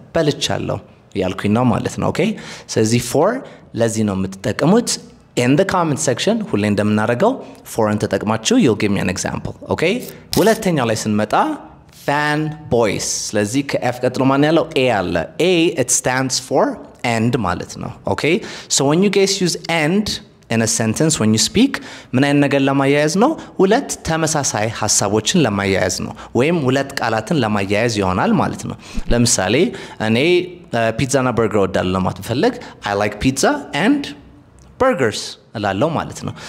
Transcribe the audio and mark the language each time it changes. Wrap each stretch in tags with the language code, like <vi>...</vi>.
<am>በልቻለሁ ያልኩኝ ነው ማለት ነው. okay? ስለዚህ for ለዚህ ነው የምትጠቀሙት</am> <en>In the comment section,</en> <am>ሁሌ እንደምናረገው ፎረን ተጠቅማችሁ</am> <en>you'll give me an example, okay?</en> <am>ሁለተኛው ላይ ስንመጣ fanboys. ስለዚህ ከf ቀጥሎ ማን ያለው a አለ.</am> <en>A it stands for and</en> <am>ማለት ነው.</am> <en>Okay? So when you guys use and in a sentence when you speak,</en> <am>ምን አይነት ነገር ለማያያዝ ነው? ሁለት ተመሳሳይ ሐሳቦችን ለማያያዝ ነው ወይም ሁለት ቃላትን ለማያያዝ ይሆናል ማለት ነው. ለምሳሌ እኔ ፒዛና በርገር ወዳለሁ ለማለት ፈልግ</am> <en>I like pizza and burgers</en> <am>እላለሁ ማለት ነው.</am>